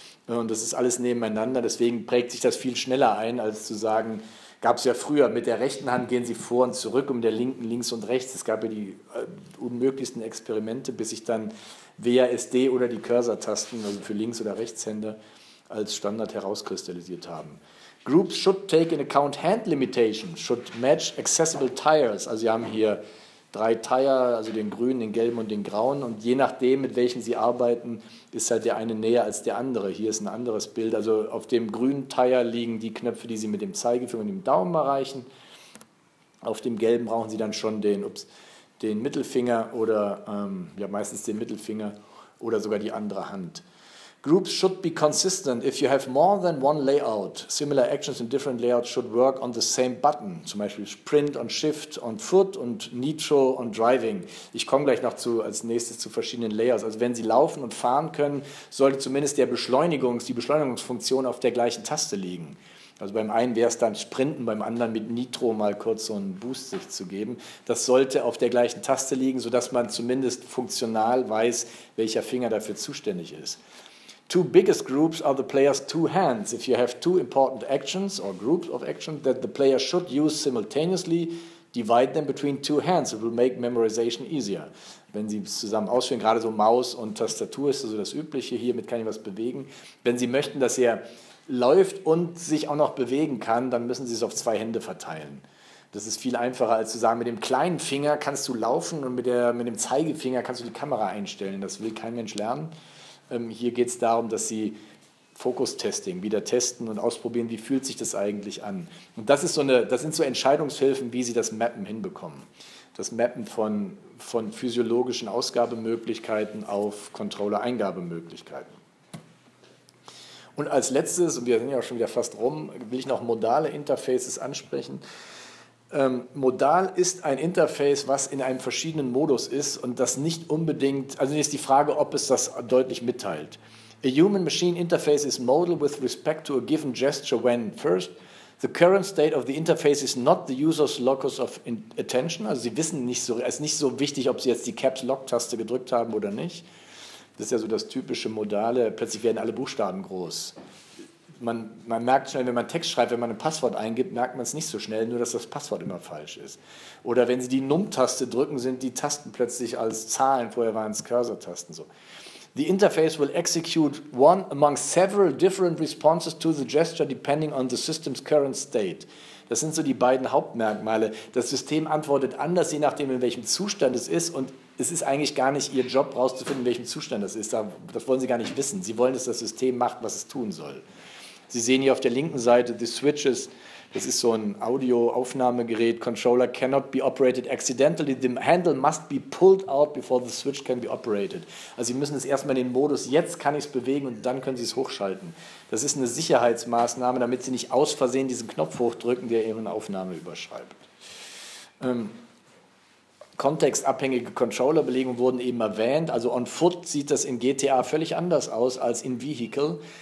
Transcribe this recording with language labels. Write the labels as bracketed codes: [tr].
[de] Und das ist alles nebeneinander. Deswegen prägt sich das viel schneller ein, als zu sagen, gab es ja früher, mit der rechten Hand gehen Sie vor und zurück und mit der linken links und rechts. Es gab ja die unmöglichsten Experimente, bis ich dann WASD oder die Cursor-Tasten, also für Links- oder Rechtshänder, als Standard herauskristallisiert haben. [en] Groups should take in account hand limitations, should match accessible tires. [de] Also Sie haben hier drei Tire, also den grünen, den gelben und den grauen. Und je nachdem, mit welchen Sie arbeiten, ist halt der eine näher als der andere. Hier ist ein anderes Bild. Also auf dem grünen Tire liegen die Knöpfe, die Sie mit dem Zeigefinger und dem Daumen erreichen. Auf dem gelben brauchen Sie dann schon den Mittelfinger oder meistens den Mittelfinger oder sogar die andere Hand. [en] Groups should be consistent. If you have more than one layout, similar actions in different layouts should work on the same button. [de] Zum Beispiel Sprint und Shift und Foot und Nitro und Driving. Ich komme gleich noch als nächstes zu verschiedenen Layouts. Also wenn Sie laufen und fahren können, sollte zumindest die Beschleunigungsfunktion auf der gleichen Taste liegen. Also beim einen wäre es dann Sprinten, beim anderen mit Nitro mal kurz so einen Boost sich zu geben. Das sollte auf der gleichen Taste liegen, sodass man zumindest funktional weiß, welcher Finger dafür zuständig ist. [en] Two biggest groups are the player's two hands. If you have two important actions or groups of actions that the player should use simultaneously, divide them between two hands. It will make memorization easier. [de] Wenn Sie es zusammen ausführen, gerade so Maus und Tastatur ist also das Übliche. Hiermit kann ich was bewegen. Wenn Sie möchten, dass er läuft und sich auch noch bewegen kann, dann müssen Sie es auf zwei Hände verteilen. Das ist viel einfacher, als zu sagen, mit dem kleinen Finger kannst du laufen und mit dem Zeigefinger kannst du die Kamera einstellen. Das will kein Mensch lernen. Hier geht es darum, dass Sie Fokustesting wieder testen und ausprobieren, wie fühlt sich das eigentlich an. Und das ist das sind so Entscheidungshilfen, wie Sie das Mappen hinbekommen. Das Mappen von physiologischen Ausgabemöglichkeiten auf Controller-Eingabemöglichkeiten. Und als letztes, und wir sind ja auch schon wieder fast rum, will ich noch modale Interfaces ansprechen. Modal ist ein Interface, was in einem verschiedenen Modus ist und das nicht unbedingt, also ist die Frage, ob es das deutlich mitteilt. [en] A human-machine interface is modal with respect to a given gesture when first the current state of the interface is not the user's locus of attention. [de] Also Sie wissen nicht so, es ist nicht so wichtig, ob Sie jetzt die Caps-Lock-Taste gedrückt haben oder nicht. Das ist ja so das typische Modale, plötzlich werden alle Buchstaben groß. Man merkt schnell, wenn man Text schreibt, wenn man ein Passwort eingibt, merkt man es nicht so schnell, nur dass das Passwort immer falsch ist. Oder wenn Sie die Num-Taste drücken, sind die Tasten plötzlich als Zahlen, vorher waren es Cursor-Tasten so. [en] The interface will execute one among several different responses to the gesture depending on the system's current state. [de] Das sind so die beiden Hauptmerkmale. Das System antwortet anders, je nachdem, in welchem Zustand es ist. Und es ist eigentlich gar nicht Ihr Job, rauszufinden, in welchem Zustand es ist. Das wollen Sie gar nicht wissen. Sie wollen, dass das System macht, was es tun soll. Sie sehen hier auf der linken Seite die Switches. Das ist so ein Audio-Aufnahmegerät. [en] Controller cannot be operated accidentally. The handle must be pulled out before the switch can be operated. [de] Also Sie müssen es erstmal in den Modus, jetzt kann ich es bewegen und dann können Sie es hochschalten. Das ist eine Sicherheitsmaßnahme, damit Sie nicht aus Versehen diesen Knopf hochdrücken, der Ihre Aufnahme überschreibt. Kontextabhängige Controllerbelegungen wurden eben erwähnt. Also [en] on foot [de] sieht das in GTA völlig anders aus als in Vehicle.